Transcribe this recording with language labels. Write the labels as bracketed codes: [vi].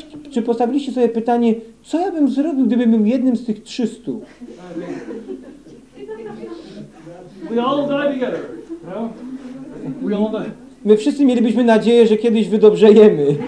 [pl] Czy postawiliście sobie pytanie, co ja bym zrobił, gdybym był jednym z tych 300? [en] We all die together, you know? We all die. [pl] My wszyscy mielibyśmy nadzieję, że kiedyś wydobrzejemy.